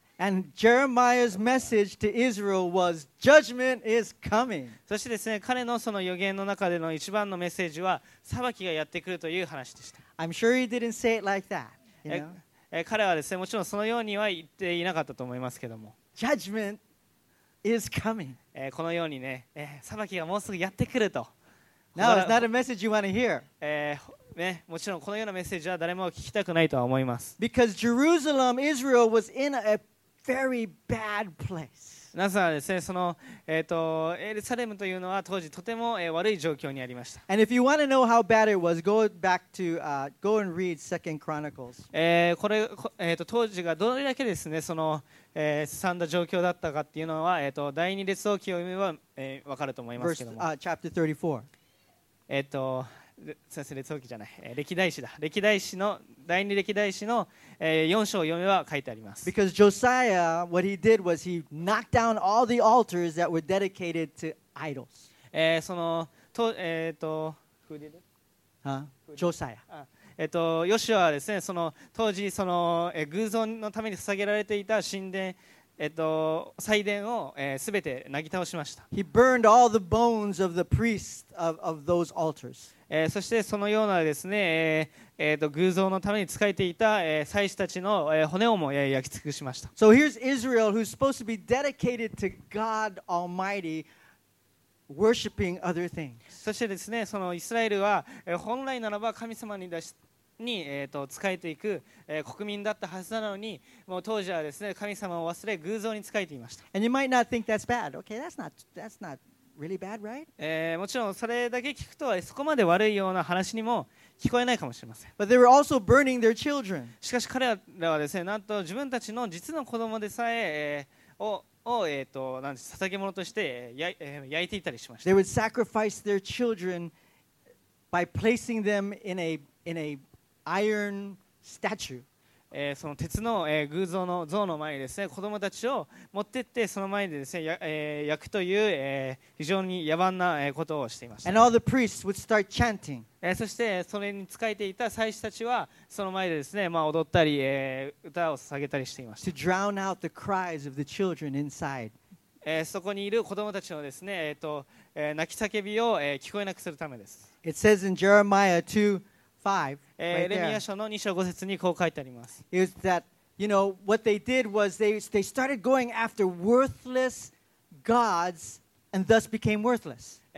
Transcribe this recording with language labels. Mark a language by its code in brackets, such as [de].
[en] And Jeremiah's message to Israel was, judgment is coming. [ja] そしてですね、彼のその予言の中での一番のメッセージは、裁きがやってくるという話でした。 [en] I'm sure he didn't say it like that. You know? [ja] 彼はですね、もちろんそのようには言っていなかったと思いますけども。 [en] Judgment is coming. [ja] このようにね、裁きがもうすぐやってくると。 [en] No, it's not a message you want to hear. [ja] ね、もちろんこのようなメッセージは誰も聞きたくないとは思います。 [en] Because Jerusalem, Israel was in a very bad place. [ja] なぜならですね、その、エルサレムというのは当時とても、悪い状況にありました。 [en] And if you want to know how bad it was, go back to, go and read 2 Chronicles. [ja] これ、当時がどれだけですね、その、すさんだ状況だったかっていうのは、第二列王記を読めば、分かると思いますけども。 [en] Verse, chapter 34. [ja] すみません、列王記じゃない、歴代史だ、歴代史の第二歴代史の、4章を読めば書いてあります。 [en] Because Josiah, what he did was he knocked down all the altars that were dedicated to idols. Who did it? Josiah. [ja] ヨシュアはですね、その当時その、偶像のために捧げられていた神殿、祭殿を、すべてなぎ倒しました。 [en] He burned all the bones of the priests of those altars. [ja] そしてそのようなですね、偶像のために仕えていた、祭司たちの、骨をも、焼き尽くしました。 [en] So here's Israel who's supposed to be dedicated to God Almighty. Worshiping other things. [ja] そしてですね、そのイスラエルは、本来ならば神様に出しに、仕えていく、国民だったはずなのに、もう当時はですね、神様を忘れ偶像に仕えていました。 [en] And you might not think that's bad. Okay, that's not really bad, right? [ja] もちろんそれだけ聞くとそこまで悪いような話にも聞こえないかもしれません。 [en] But they were also burning their children. [ja] しかし彼らはですね、なんと自分たちの実の子供でさえ、を何で捧げ物として焼いていたりしました。 [en] They would sacrifice their children by placing them in a iron statue. [ja] その鉄の偶像の像の前にですね、子供たちを持ってってその前でですね、焼くという非常に野蛮なことをしていました。 [en] And all the priests would start chanting. [ja] そしてそれに仕えていた祭司たちはその前でですね、まあ踊ったり歌を捧げたりしていました。 [en] To drown out the cries of the children inside. [ja] そこにいる子供たちのですね、泣き叫びを聞こえなくするためです。 [en] It says in Jeremiah 2:5. [ja] エレミア書の2章5節にこう書いてあります。 [en] Is that, you know, what they did was they started going after worthless gods and thus became worthless.